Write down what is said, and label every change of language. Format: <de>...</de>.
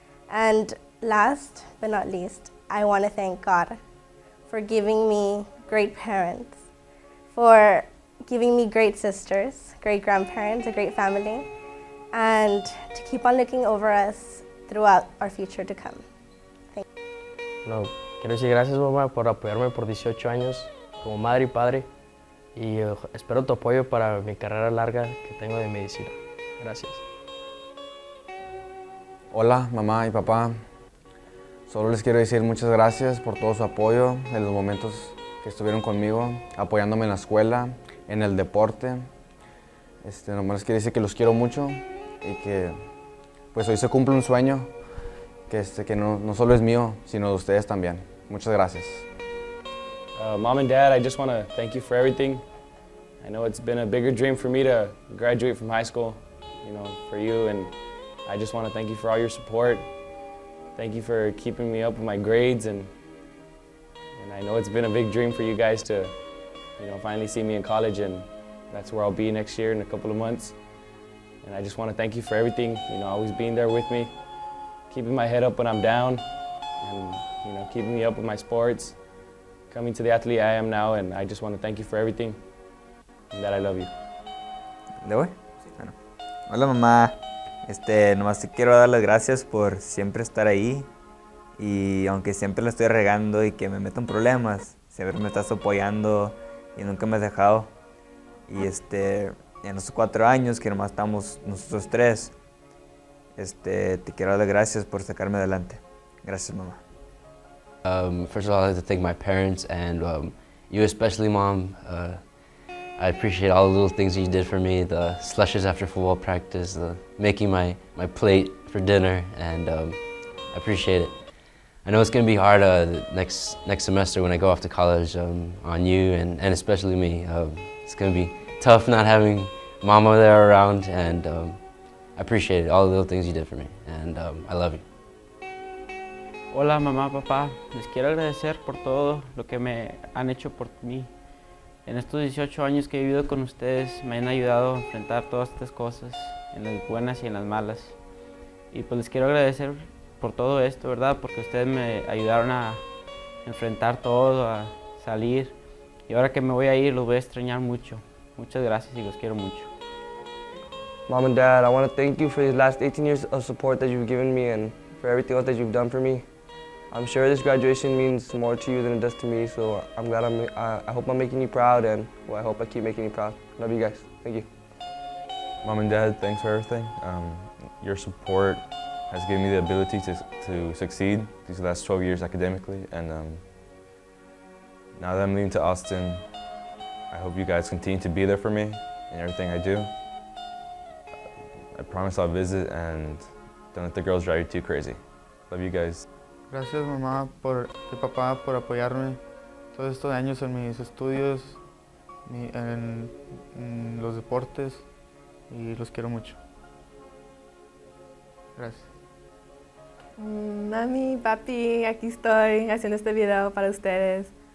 <en>And last but not least, I want to thank God for giving me great parents, for giving me great sisters, great grandparents, a great family, and to keep on looking over us throughout our future to come. Thank you. No.</en> <es>Quiero decir gracias, mamá, por apoyarme por 18 años como madre y padre. Y espero tu apoyo para mi carrera larga que tengo de medicina. Gracias. Hola, mamá y papá. Solo les quiero decir muchas gracias por todo su apoyo en los momentos que estuvieron conmigo, apoyándome en la escuela, en el deporte. Nomás les quiero decir que los quiero mucho y que pues hoy se cumple un sueño. Que no solo es mío, sino de ustedes también. Muchas gracias.</es> <en>Mom and Dad, I just want to thank you for everything. I know it's been a bigger dream for me to graduate from high school, you know, for you, and I just want to thank you for all your support. Thank you for keeping me up with my grades, and I know it's been a big dream for you guys to, you know, finally see me in college, and that's where I'll be next year in a couple of months. And I just want to thank you for everything, you know, always being there with me. keeping my head up when I'm down, and you know, keeping me up with my sports, coming to the athlete I am now, and I just want to thank you for everything, and that I love you.</en> <es>¿De voy? Bueno. Hola, mamá. Nomás te quiero dar las gracias por siempre estar ahí, y aunque siempre la estoy regando y que me meto en problemas, siempre me estás apoyando y nunca me has dejado. Y en los 4 años que nomás estamos nosotros tres, te quiero dar las gracias por sacarme adelante. Gracias, mamá.</es> <en>First of all, I'd like to thank my parents and you especially, Mom. I appreciate all the little things that you did for me, the slushes after football practice, the making my plate for dinner, and I appreciate it. I know it's going to be hard next semester when I go off to college on you and especially me. It's going to be tough not having Mama there around, and I appreciate it, all the little things you did for me, and I love you.</en> <es>Hola, mamá, papá. Les quiero agradecer por todo lo que me han hecho por mí. En estos 18 años que he vivido con ustedes, me han ayudado a enfrentar todas estas cosas, en las buenas y en las malas. Y pues les quiero agradecer por todo esto, ¿verdad? Porque ustedes me ayudaron a enfrentar todo, a salir. Y ahora que me voy a ir, los voy a extrañar mucho. Muchas gracias y los quiero mucho.</es> <en>Mom and Dad, I want to thank you for these last 18 years of support that you've given me and for everything else that you've done for me. I'm sure this graduation means more to you than it does to me, so I'm glad I hope I'm making you proud, and I hope I keep making you proud. Love you guys. Thank you. Mom and Dad, thanks for everything. Your support has given me the ability to succeed these last 12 years academically, and now that I'm leaving to Austin, I hope you guys continue to be there for me in everything I do. I promise I'll visit, and don't let the girls drive you too crazy. Love you guys.</en> <es>Gracias, mamá y papá, por apoyarme todos estos años en mis estudios, en los deportes, y los quiero mucho. Gracias. Mami, papi, aquí estoy haciendo este video para ustedes.</es>